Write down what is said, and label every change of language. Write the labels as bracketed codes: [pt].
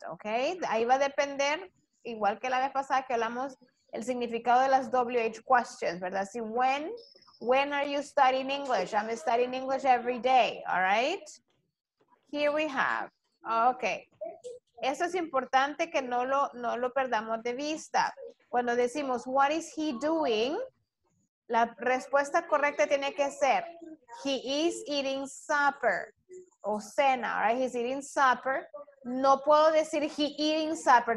[es] Okay, ahí va a depender, igual que la vez pasada que hablamos, el significado de las WH questions, ¿verdad? [en] Si, when are you studying English? I'm studying English every day, all right? Here we have, Okay. [es] Eso es importante que no lo perdamos de vista. Cuando decimos, [en] what is he doing? [es] La respuesta correcta tiene que ser, [en] he is eating supper. [es] O cena, right? [en] He's eating supper. [es] No puedo decir [en] he eating supper.